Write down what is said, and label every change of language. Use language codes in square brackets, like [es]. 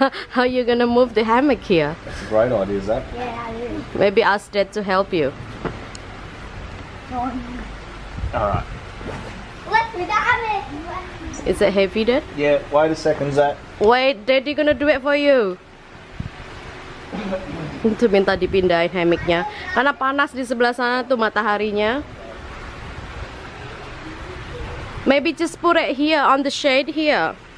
[en] How are you gonna move the hammock here? That's a great idea, is that? Yeah, I do. Maybe ask Dad to help you. No. Alright. Look, we got it. Is it heavy, Dad? Yeah, wait a second, Zach. Wait, Daddy gonna do it for you. [id] Itu minta dipindahin hammocknya karena panas di sebelah sana tuh mataharinya. [en] Maybe just put it here on the shade here.